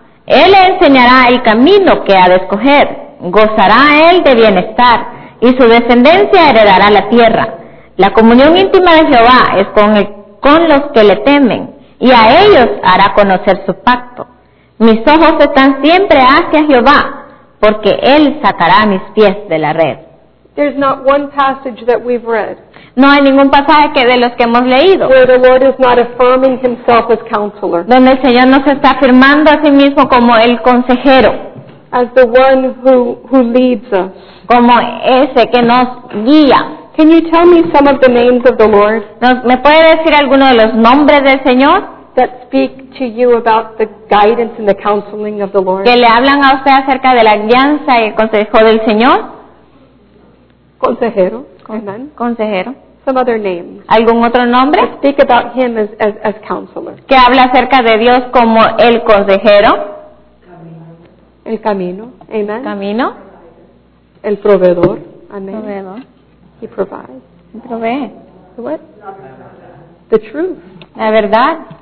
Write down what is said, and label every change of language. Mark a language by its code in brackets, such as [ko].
[es] Él le enseñará el camino que ha de escoger. Gozará él de bienestar, y su descendencia heredará la tierra. La comunión íntima de Jehová es con los que le temen, y a ellos hará conocer su pacto. Mis ojos están siempre hacia Jehová, porque él sacará mis pies de la red. [en] There's not one passage that we've read. [es] No hay ningún pasaje que de los que hemos leído. [en] Where the Lord is not affirming himself as counselor. [es] Donde el Señor no se está afirmando a sí mismo como el consejero. [en] As the one who leads us. [es] Como ese que nos guía. [en] Can you tell me some of the names of the Lord? [es] ¿Me puede decir alguno de los nombres del Señor? [en] That speak to you about the guidance and the counseling of the Lord. [es] ¿Que le hablan a usted acerca de la guianza y el consejo del Señor? Consejero. Consejero. [en] Some other names. [es] ¿Algún otro nombre? [en] That speak about him as counselor. [es] ¿Que habla acerca de Dios como el consejero? El camino. Amen. Camino. El proveedor. Amen. Proveedor. [en] He provides. [es] Provee. [en] What? The truth. [es] La verdad.